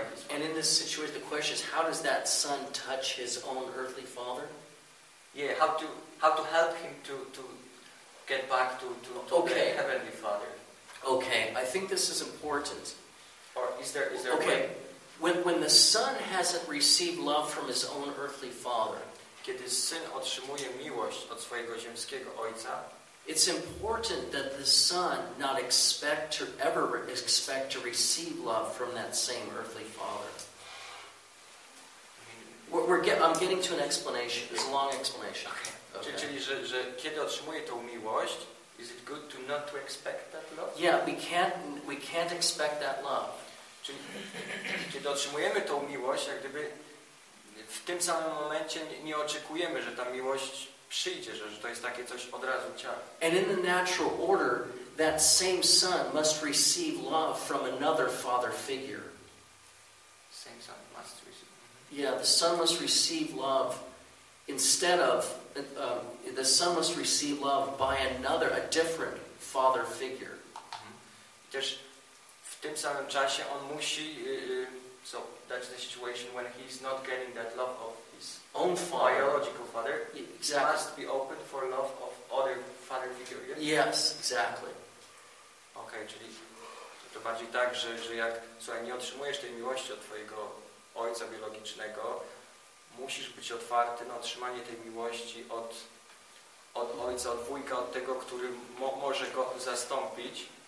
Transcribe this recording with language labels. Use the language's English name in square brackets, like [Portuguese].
[English] And in this situation, the question is, how does that son touch his own earthly father? Yeah, how to help him to get back to the Heavenly Father. Okay, I think this is important. Or is there okay. a way? When the son hasn't received love from his own earthly father, [Polish] kiedy syn otrzymuje miłość od swojego ziemskiego ojca, [English] it's important that the son not expect to receive love from that same earthly father. I'm getting to an explanation. It's a long explanation. Okay. [Polish] Czyli, że kiedy otrzymuje tą miłość, [English] is it good to not to expect that love? Yeah, we can't expect that love. [Polish] Czyli, kiedy otrzymujemy tą miłość, jak gdyby w tym samym momencie nie oczekujemy, że ta miłość przyjdzie, że to jest takie coś od razu ciało. [English] And in the natural order, that same son must receive love from another father figure. Same son. Yeah, the son must receive love instead of the son must receive love by another, a different father figure. [Polish] Też w tym samym czasie on musi [English] so that's the situation when he's not getting that love of his own father. Biological father. Exactly. He must be open for love of other father figure. Yeah? Yes, exactly. [Polish] Okay, czyli to bardziej tak, że jak słuchaj, nie otrzymujesz tej miłości od twojego ojca biologicznego, musisz być otwarty na otrzymanie tej miłości od ojca, od wujka, od tego, który może go zastąpić.